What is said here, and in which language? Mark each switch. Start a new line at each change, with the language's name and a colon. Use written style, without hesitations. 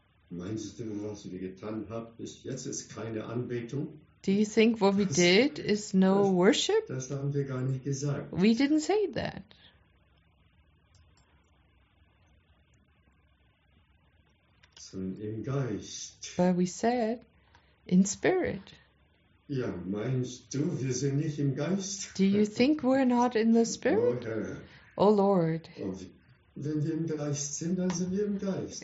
German: Meinst du, was wir getan haben, bis jetzt ist keine Anbetung?
English: Do you think what we did is no worship?
German: Das haben wir gar nicht gesagt.
English: We didn't say that.
German: So im Geist.
English: But we said, in spirit.
German: Ja, meinst du, wir sind nicht im Geist?
English: Do you think we're not in the spirit?
German: Oh, Herr.
English: Oh Lord.
German: Und wenn wir im Geist sind, dann sind wir im Geist.